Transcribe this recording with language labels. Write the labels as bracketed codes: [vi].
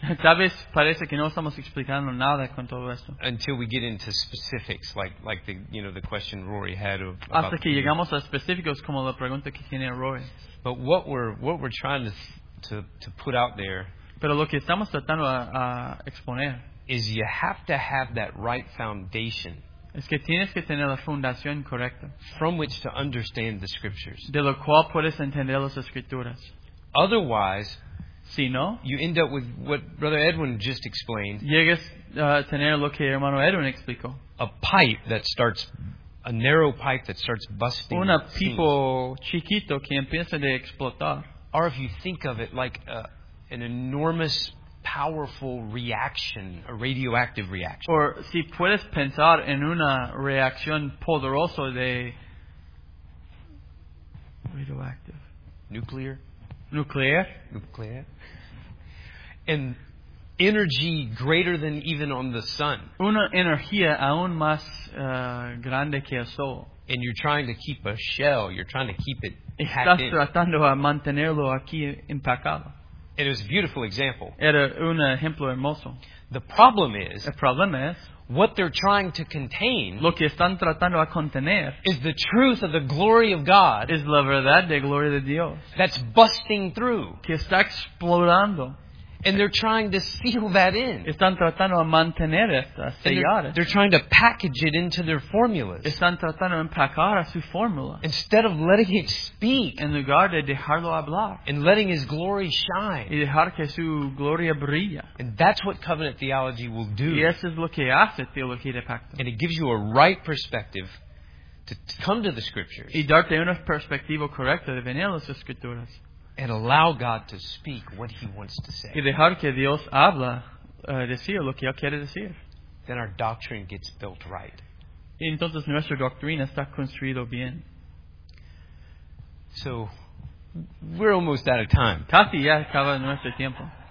[es] Tal vez parece que no estamos explicando nada con todo esto. [en] Until we get into specifics, like the, you know, the question Rory had of. [es] Hasta que llegamos a específicos como la pregunta que tiene Rory. [en] But what we're trying to put out there. [es] Pero lo que estamos tratando a exponer. [en] Is you have to have that right foundation. [es] Es que tienes que tener la fundación correcta. [en] From which to understand the scriptures. [es] De lo cual puedes entender las escrituras. [en] Otherwise, [es] si no, [en] you end up with what Brother Edwin just explained. [es] Llegas a tener lo que hermano Edwin explicó. [en] A narrow pipe that starts busting. [es] Una pipa chiquito que empieza de explotar. [en] Or if you think of it like an enormous, powerful reaction, a radioactive reaction. [es] Or si puedes pensar en una reacción poderosa de radioactive. [en] Nuclear. And energy greater than even on the sun. [es] Una energía aún más grande que el sol. [en] And you're trying to keep a shell, you're trying to keep it [es] packed. Estás tratando a mantenerlo aquí empacado. [en] It was a beautiful example. [es] Era un ejemplo hermoso. [en] The problem is, [es] el problema es, [en] what they're trying to contain, [es] lo que están tratando a contener, [en] is the truth of the glory of God, [es] es la verdad de gloria de Dios, [en] that's busting through, [es] que está explotando, [en] and they're trying to seal that in. [es] Están tratando a mantener esto, a sellar. [en] They're trying to package it into their formulas. [es] Están tratando de empacar a su fórmula. [en] Instead of letting it speak, [es] en lugar de dejarlo hablar, [en] and letting His glory shine, [es] y dejar que su gloria brilla. [en] And that's what covenant theology will do. [es] Y eso es lo que hace teología de pacto. [en] And it gives you a right perspective to come to the scriptures. [es] Y darte una perspectiva correcta de venir a las escrituras. [en] And allow God to speak what He wants to say. [es] Y dejar que Dios habla, decir lo que Él quiere decir. [en] Then our doctrine gets built right. [es] Y entonces nuestra doctrina está construida bien. [en] So, we're almost out of time. [es] Casi ya acaba nuestro tiempo.